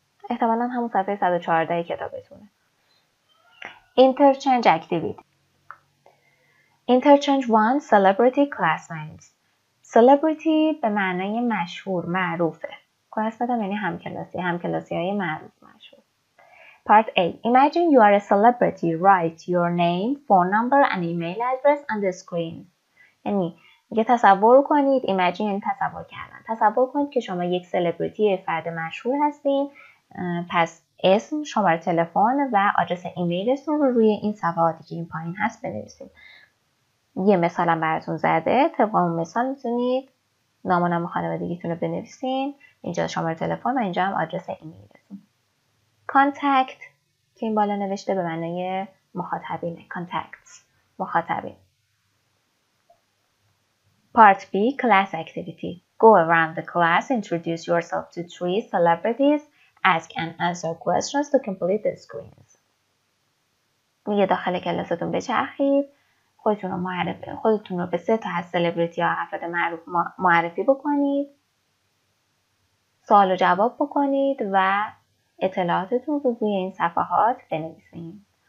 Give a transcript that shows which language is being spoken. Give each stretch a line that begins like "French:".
Persian: احتمالاً همون صفحه 114 کتابتونه. Interchange activity.
English: Interchange 1 celebrity classmates. Celebrity
Persian: به معنی مشهور، معروفه. کلاسمتم یعنی همکلاسی، همکلاسی های معروف مشهور.
English: Part A. Imagine you are a celebrity. Write your name, phone number and email address on the screen.
Persian: یعنی یه تصور کنید. Imagine یعنی تصور کردن. تصور کنید که شما یک سلبریتی، فرد مشهور هستین. پس اسم، شماره تلفن و آدرس ایمیلتون رو روی این صفحاتی که این پایین هست بنویسید. یه مثال هم براتون زده. طبق اون مثال میتونید نام و نام خانوادگیتون رو بنویسین. اینجا شماره تلفن و اینجا هم آدرس ایمیلتون. کانتکت که این بالا نوشته به معنی مخاطبینه. کانتکتس، مخاطبین.
English: Part B class activity. Go around the class, introduce yourself to three celebrities, ask and answer questions to complete the screens.
Persian: میگه داخل کلاستون بچرخید، خودتون رو معرفی، خودتون رو به سه تا از سلبریتی ها افراد معروف معرفی بکنید. سوال و جواب بکنید و اطلاعاتتون رو روی این صفحات بنویسید.